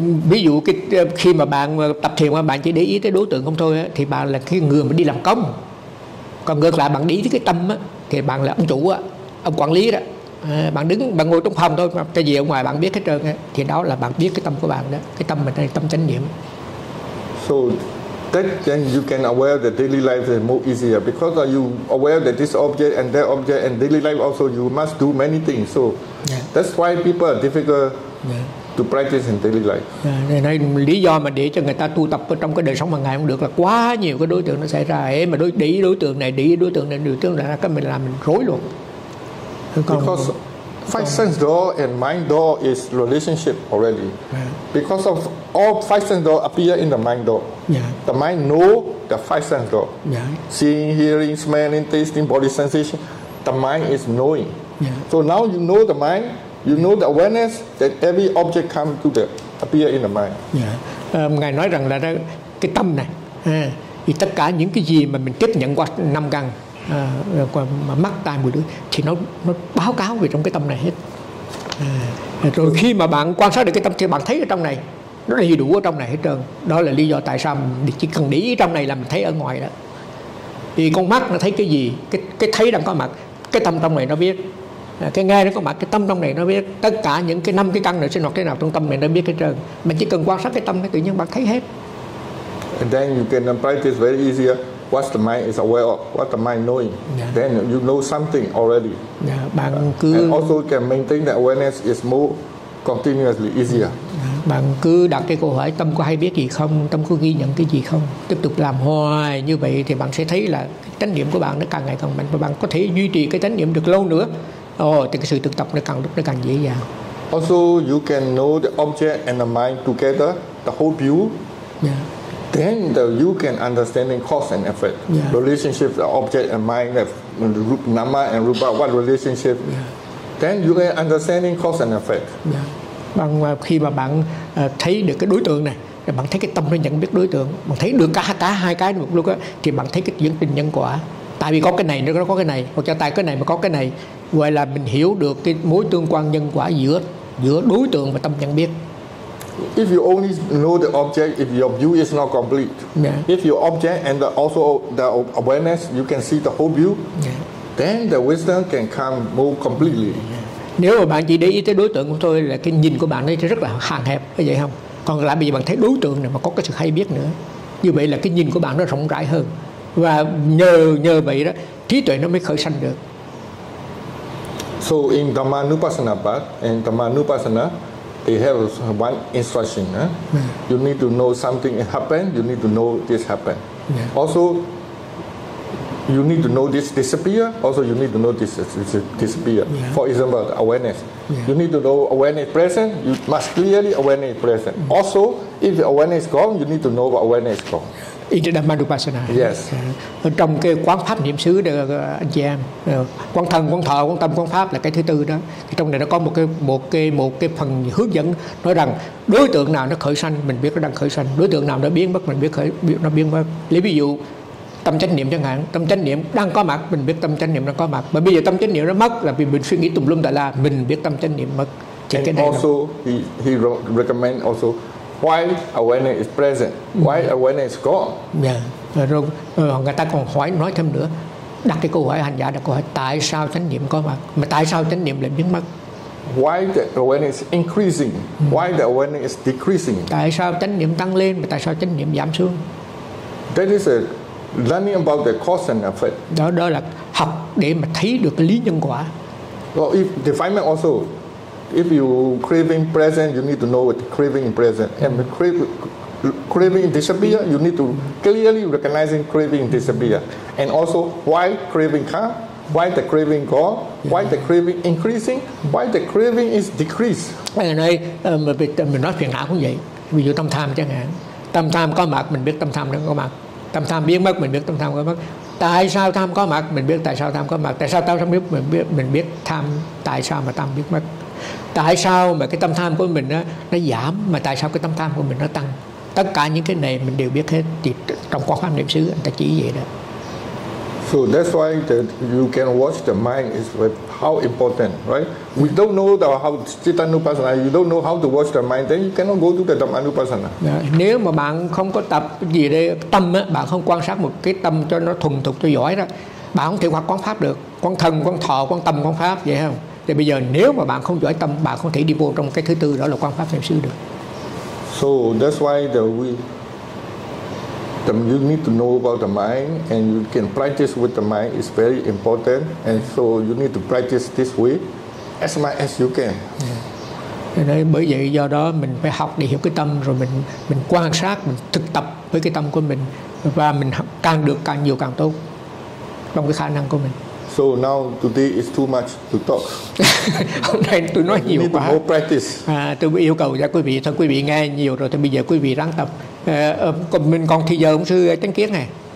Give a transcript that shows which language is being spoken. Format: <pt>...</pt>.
<vi>Ví dụ khi mà bạn tập thiền mà bạn chỉ để ý tới đối tượng không thôi á, thì bạn là cái người mà đi làm công. Còn ngược lại bạn để ý tới cái tâm á, thì bạn là ông chủ á, ông quản lý đó. Bạn đứng, bạn ngồi trong phòng thôi, mà cái gì ở ngoài bạn biết hết trơn á, thì đó là bạn biết cái tâm của bạn đó, cái tâm mình đây, tâm chánh niệm.</vi> <en>So then you can aware that daily life is more easier because you aware that this object and that object and daily life also you must do many things. So that's why people are difficult to practice in daily life.</en> <vi>Nên lý do mà để cho người ta tu tập trong cái đời sống hàng ngày không được là quá nhiều cái đối tượng nó xảy ra. Ấy mà đối tượng này cái mình làm mình rối luôn.</vi> <en>Because five sense door and mind door is relationship already. Because of all five sense door appear in the mind door. The mind know the five sense door. Seeing, hearing, smelling, tasting, body sensation. The mind is knowing. So now you know the mind, you know the awareness that every object come to the appear in the mind.</en> <vi>Ngài nói rằng là cái tâm này, thì tất cả những cái gì mà mình tiếp nhận qua năm căn, qua mắt tai mũi lưỡi thì nó báo cáo về trong cái tâm này hết. Rồi khi mà bạn quan sát được cái tâm thì bạn thấy ở trong này nó đầy đủ ở trong này hết trơn. Đó là lý do tại sao mình chỉ cần để ý trong này là mình thấy ở ngoài đó. Thì con mắt nó thấy cái gì, cái thấy đang có mặt, cái tâm trong này nó biết, cái nghe nó có mặt, cái tâm trong này nó biết, tất cả những cái năm cái căn này sinh hoạt thế nào trong tâm này nó biết hết trơn. Mình chỉ cần quan sát cái tâm thì tự nhiên bạn thấy hết.</vi> <en>And then you can apply this very easier. What the mind is aware of, what the mind knowing, yeah. Then you know something already.</en> <vi>Yeah, bạn cứ</vi> <en>and also can maintain that awareness is more continuously easier. Yeah.</en> <vi>Bạn cứ đặt cái câu hỏi tâm có hay biết gì không, tâm có ghi nhận cái gì không, tiếp tục làm hoài như vậy thì bạn sẽ thấy là chánh niệm của bạn nó càng ngày càng mạnh và bạn có thể duy trì cái chánh niệm được lâu nữa. Thì cái sự thực tập nó càng dễ dàng.</vi> <en>Also you can know the object and the mind together, the whole view. Yeah. Then you can understand the cause and effect, yeah. Relationship, the object and mind, the root nama and rupa, what relationship. Yeah. Then you can understand the cause and effect. Yeah.</en> <vi>Bằng khi mà bạn thấy được cái đối tượng này, thì bạn thấy cái tâm nó nhận biết đối tượng, bạn thấy được cả hai cái một lúc á, thì bạn thấy cái diễn trình nhân quả. Tại vì có cái này nó có cái này, hoặc cho tại cái này mà có cái này, gọi là mình hiểu được cái mối tương quan nhân quả giữa đối tượng và tâm nhận biết.</vi> <en>If you only know the object, if your view is not complete, yeah. If your object and also the awareness, you can see the whole view, yeah. Then the wisdom can come more completely.</en> <vi>Nếu mà bạn chỉ để ý tới đối tượng của tôi là cái nhìn của bạn ấy rất là hạn hẹp, có vậy không? Còn lại bây giờ bạn thấy đối tượng này mà có cái sự hay biết nữa, như vậy là cái nhìn của bạn nó rộng rãi hơn và nhờ vậy đó trí tuệ nó mới khởi sanh được.</vi> <en>So in Dhamma Nupassana path and Dhamma Nupassana. They have one instruction. Eh? You need to know something happened. You need to know this happened. Yeah. Also, you need to know this disappear. Also, you need to know this disappear. Yeah. For example, awareness. Yeah. You need to know awareness present. You must clearly awareness present. Mm. Also, if awareness gone, you need to know what awareness gone. In the Dhamma Nupassana. Yes.</en> <vi>Trong cái quán pháp niệm xứ được anh chị em, quán thân, quán thọ, quán tâm, quán pháp là cái thứ tư đó. Trong này nó có một cái phần hướng dẫn nói rằng đối tượng nào nó khởi sanh mình biết nó đang khởi sanh, đối tượng nào nó biến mất mình biết nó biến mất. Lấy ví dụ tâm chánh niệm chẳng hạn, tâm chánh niệm đang có mặt mình biết tâm chánh niệm đang có mặt. Mà bây giờ tâm chánh niệm nó mất là vì mình suy nghĩ tùm lum tà la, mình biết tâm chánh niệm mất. Chỉ cái này</vi> <en>also he recommend also. Why awareness is present? Why awareness is gone? Yeah.</en> <vi>Rồi người ta còn hỏi nói thêm nữa, đặt cái câu hỏi hành giả đặt câu hỏi tại sao chánh niệm có mặt, mà tại sao chánh niệm lại biến mất?</vi> <en>Why the awareness is increasing? Why the awareness is decreasing?</en> <vi>Tại sao chánh niệm tăng lên mà tại sao chánh niệm giảm xuống?</vi> <en>That is a learning about the cause and effect.</en> <vi>Đó là học để mà thấy được lý nhân quả.</vi> <en>Well, if defilement also. If you craving present, you need to know what craving present. And craving disappear, you need to clearly recognizing craving disappear. And also, why craving come? Why the craving go? Why the craving increasing? Why the craving is decreased?</en> <vi>Anh ơi, mình nói phiền não cũng vậy. Ví dụ tâm tham chẳng hạn. Tâm tham có mặt, mình biết tâm tham đang có mặt. Tâm tham biến mất, mình biết tâm tham có mặt. Tại sao tham có mặt, mình biết tại sao tham có mặt. Tại sao tham biết, mình biết tham, tại sao mà tham biết mất. Tại sao mà cái tâm tham của mình nó giảm mà tại sao cái tâm tham của mình nó tăng? Tất cả những cái này mình đều biết hết, thì trong quán pháp niệm xứ anh ta chỉ vậy đó.</vi> <en>So that's why that you can watch the mind is how important, right? We don't know the how Citta Nupassana, you don't know how to watch the mind, then you cannot go to the Dhamma Nupassana.</en> <vi>Nếu mà bạn không có tập gì đây tâm á, bạn không quan sát một cái tâm cho nó thuần thục cho giỏi đó, bạn không thể hoạt quán pháp được, quán thân, quán thọ, quán tâm, quán pháp vậy không? Thì bây giờ nếu mà bạn không giỏi tâm, bạn không thể đi vô trong cái thứ tư đó là quan pháp niệm xứ được.</vi> <en>So that's why the you need to know about the mind and you can practice with the mind is very important and so you need to practice this way as much as you can. Yeah.</en> <vi>Nên bởi vậy do đó mình phải học để hiểu cái tâm rồi mình quan sát, mình thực tập với cái tâm của mình và mình càng được càng nhiều càng tốt trong cái khả năng của mình.</vi> <en>So now today is too much to talk.</en> <vi>Hôm nay tôi nói nhiều quá.</vi> <en>Need more practice.</en> <vi>Tôi yêu cầu cho quý vị, thôi quý vị nghe nhiều rồi, thì bây giờ quý vị ráng tập. Mình còn thì giờ ông sư Chánh Kiến này.</vi>